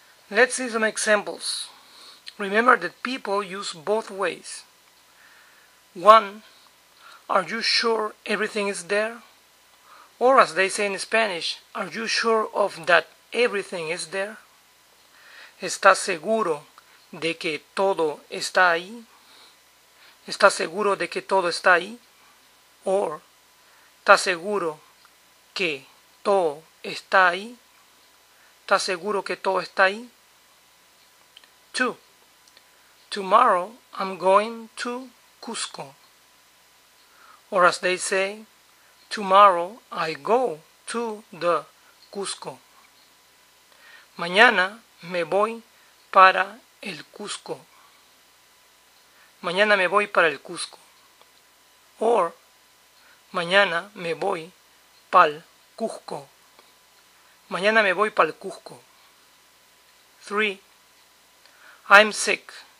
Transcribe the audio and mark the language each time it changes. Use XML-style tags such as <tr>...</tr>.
<en>Let's see some examples. Remember that people use both ways. One, are you sure everything is there? Or as they say in Spanish, are you sure of that everything is there?</en> <es>¿Estás seguro de que todo está ahí? ¿Estás seguro de que todo está ahí? Or, ¿estás seguro que todo está ahí? ¿Estás seguro que todo está ahí?</es> <en>Two, tomorrow I'm going to Cusco. Or as they say, tomorrow I go to the Cusco.</en> <es>Mañana me voy para el Cusco. Mañana me voy para el Cusco. Or, mañana me voy pa'l Cusco. Mañana me voy pa'l Cusco.</es> <en>3. I'm sick.</en>